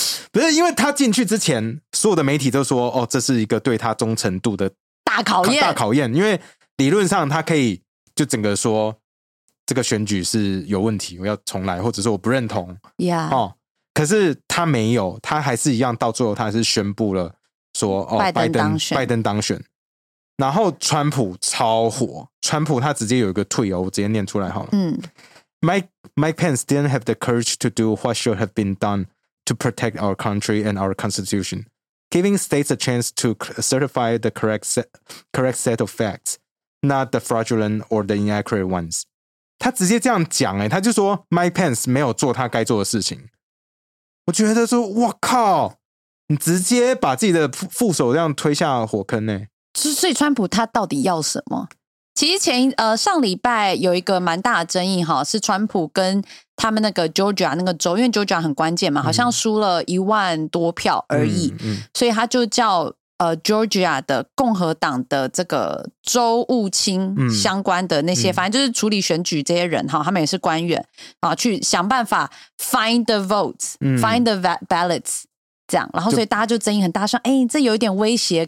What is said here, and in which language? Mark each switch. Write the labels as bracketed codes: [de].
[zh] 不是因为他进去之前所有的媒体都说，哦，这是一个对他忠诚度的大考验，大考验，因为理论上他可以就整个说这个选举是有问题，我要重来，或者说我不认同， yeah. 哦，可是他没有，他还是一样到最后他还是宣布了说，哦，拜登当选。然后川普超火，川普他直接有一个 tweet，哦，我直接念出来好了，嗯， [en] Mike Pence didn't have the courage to do what should have been done to protect our country and our constitution, giving states a chance to certify the correct set of factsNot the fraudulent or the inaccurate ones. [zh] 他直接这样讲，欸，他就说 Mike Pence 没有做他该做的事情。我觉得说，哇靠，你直接把自己的副手这样推下火坑，欸，所以川普他到底要什么？其实前上礼拜有一个蛮大的争议哈，是川普跟他们那个 Georgia 那个州，因为 Georgia 很关键嘛，好像输了10,000多票而已，嗯，所以他就叫Georgia 的共和党的这个州务卿相关的那些，嗯，反正就是处理选举这些人，嗯，他们也是官员，去想办法 [en] find the votes， [zh] 嗯， [en] find the ballots [zh] 这样，然后所以大家就争议很大，说哎，欸，这有一点威胁，